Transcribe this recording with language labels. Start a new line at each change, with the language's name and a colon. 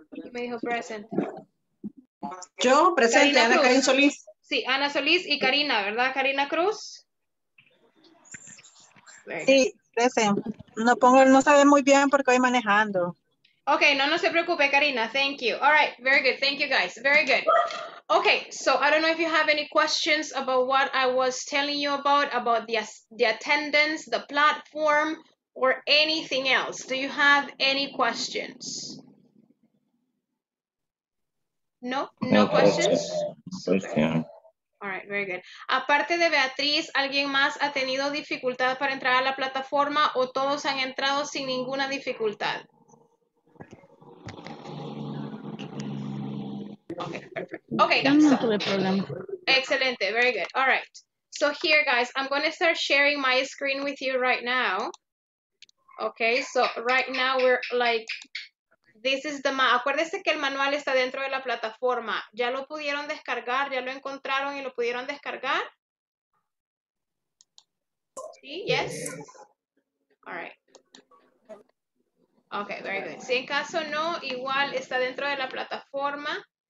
Spanish: Me dijo
English: present.
Spanish: Yo, presente, Ana Karin Solís. Sí, Ana Solís y Karina, ¿verdad? Karina Cruz. Sí,
English: present.
Spanish: No pongo, no sabe muy bien porque voy manejando.
English: Okay,
Spanish: no, no se preocupe,
English: Karina. Thank you. All right, very good. Thank you, guys. Very good. Okay, so I don't know if you have any questions about what I was telling you about the attendance, the platform, or anything else. Do you have any questions? No, no questions. All right, very good.
Spanish: Aparte de Beatriz, ¿alguien más ha tenido dificultad para entrar a la plataforma o todos han entrado sin ninguna dificultad?
English: Okay, perfect. Okay, excellent. Very good. All right. So here, guys, I'm going to start sharing my screen with you right now. Okay, so right now we're like, this is the map.
Spanish: Acuérdense que el manual está dentro de la plataforma. ¿Ya lo pudieron descargar? ¿Ya lo encontraron y lo pudieron descargar? Sí,
English: yes. All right. Okay, very good.
Spanish: Si en caso no, igual está dentro de la plataforma.